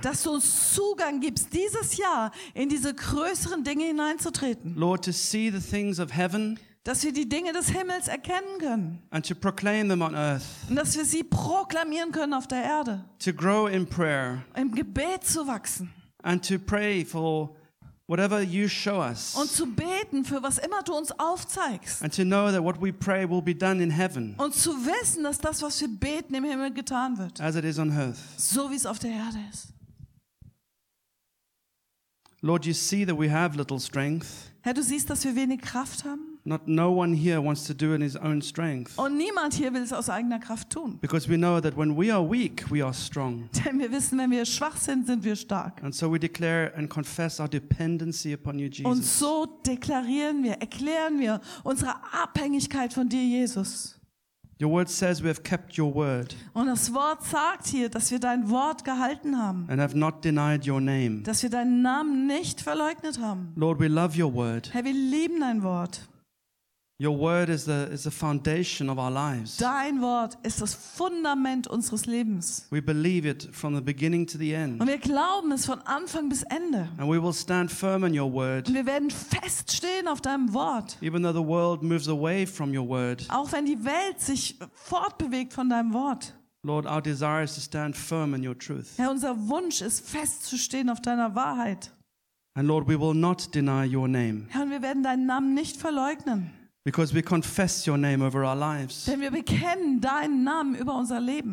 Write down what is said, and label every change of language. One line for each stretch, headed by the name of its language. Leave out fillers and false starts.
German: Dass du uns Zugang gibst, dieses Jahr in diese größeren Dinge hineinzutreten.
English: Lord, to see the things of heaven.
German: Dass wir die Dinge des Himmels erkennen können.
English: And to proclaim them on earth.
German: Und dass wir sie proklamieren können auf der Erde.
English: To grow in prayer.
German: Im Gebet zu wachsen.
English: And to pray for whatever you show us.
German: Und zu beten für was immer du uns aufzeigst.
English: And to know that what we pray will be done in heaven.
German: Und zu wissen, dass das, was wir beten, im Himmel getan wird.
English: As it is on earth.
German: So wie es auf der Erde ist.
English: Lord, you see that we have little strength.
German: Herr, du siehst, dass wir wenig Kraft haben.
English: Not no one here wants to do in his own strength.
German: Und niemand hier will es aus eigener Kraft tun.
English: Because we know that when we are weak, we are strong.
German: Denn wir wissen, wenn wir schwach sind, sind wir stark.
English: And so we declare and confess our dependency upon you, Jesus.
German: Und so deklarieren wir, erklären wir unsere Abhängigkeit von dir, Jesus.
English: Your word says we have kept your word.
German: Und das Wort sagt hier, dass wir dein Wort gehalten haben.
English: And have not denied your name.
German: Dass wir deinen Namen nicht verleugnet haben.
English: Lord, we love your word.
German: Herr, wir lieben dein Wort.
English: Your word is the foundation of our lives.
German: Dein Wort ist das Fundament unseres Lebens.
English: We believe it from the beginning to the end.
German: Und wir glauben es von Anfang bis Ende.
English: And we will stand firm in your word.
German: Und wir werden feststehen auf deinem Wort.
English: Even though the world moves away from your word.
German: Auch wenn die Welt sich fortbewegt von deinem Wort.
English: Lord, our desire is to stand firm in your truth.
German: Herr, unser Wunsch ist festzustehen auf deiner Wahrheit.
English: And Lord, we will not deny your name.
German: Herr, und wir werden deinen Namen nicht verleugnen.
English: Because we confess your name over our lives.
German: Denn wir bekennen deinen Namen über unser Leben.